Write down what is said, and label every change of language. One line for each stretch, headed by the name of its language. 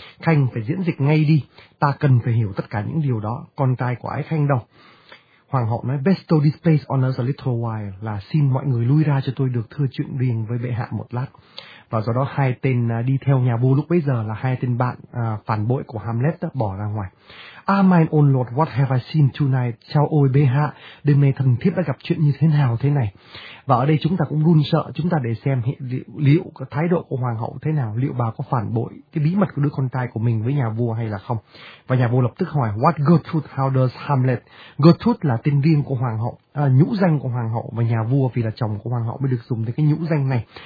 Vietnamese: Khanh phải diễn dịch ngay đi. Ta cần phải hiểu tất cả những điều đó. Con trai của ái khanh đâu? Hoàng hậu nói,
English: bestow this place on us a little while,
Vietnamese: là xin mọi người lui ra cho tôi được thưa chuyện riêng với bệ hạ một lát. Và do đó hai tên đi theo nhà vua lúc bấy giờ là hai tên bạn phản bội của Hamlet đã bỏ ra ngoài.
English: Ah, my own lord, what have I seen tonight?
Vietnamese: Chao ôi bệ hạ, đêm nay thần thiếp đã gặp chuyện như thế nào thế này? Và ở đây chúng ta cũng run sợ, chúng ta để xem liệu cái thái độ của hoàng hậu thế nào, liệu bà có phản bội cái bí mật của đứa con trai của mình với nhà vua hay là không. Và nhà vua lập tức hỏi,
English: what Gertrude, how does Hamlet?
Vietnamese: Gertrude là tên riêng của hoàng hậu, nhũ danh của hoàng hậu, và nhà vua vì là chồng của hoàng hậu mới được dùng tới cái nhũ danh này.